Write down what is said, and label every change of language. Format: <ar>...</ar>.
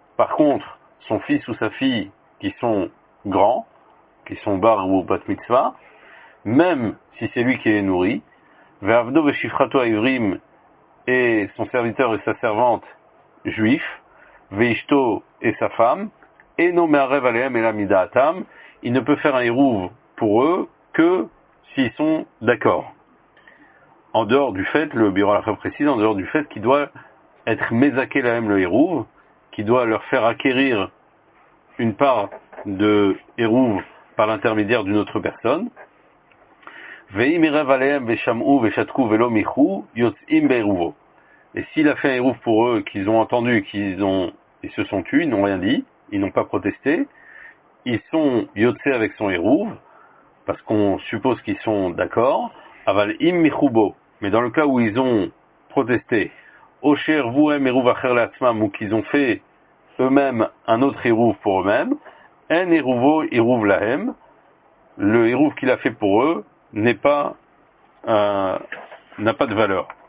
<fr>Par contre, son fils ou sa fille qui sont grands, qui sont bar ou bat mitzvah, même si c'est lui qui les nourrit,</fr> <he>ve'avdo ve'shifrato ivrim,</he> <fr>et son serviteur et sa servante juif, ve'ishto et sa femme, et</fr> <he>no me'arev aleihem ela midatam,</he> <fr>il ne peut faire un hérouv pour eux que s'ils sont d'accord. En dehors du fait, le bureau l'a précisé, en dehors du fait qu'il doit être</fr> <he>mezaké lahem</he> <fr>le hérouv, qu'il doit leur faire acquérir une part de hérouv par l'intermédiaire d'une autre personne.</fr> <he>ואם ירב עליהם ושמעו ושתקו ולא מיחו, יוצאים בעירובו.</he> <fr>Et s'il a fait un עירוב pour eux, qu'ils ont entendu, ils se sont tus, ils n'ont rien dit, ils n'ont pas protesté, ils sont yotse avec son עירוב, parce qu'on suppose qu'ils sont d'accord,</fr> <he>אבל אם מיחובו,</he> <fr>mais dans le cas où ils ont protesté,</fr> <he>או שערבו הם עירוב אחר לעצמם,</he> <fr>ou qu'ils ont fait eux-mêmes un autre עירוב pour eux-mêmes,</fr> <he>אין עירובו עירוב להם,</he> <fr>le עירוב qu'il a fait pour eux, n'a pas de valeur.</fr>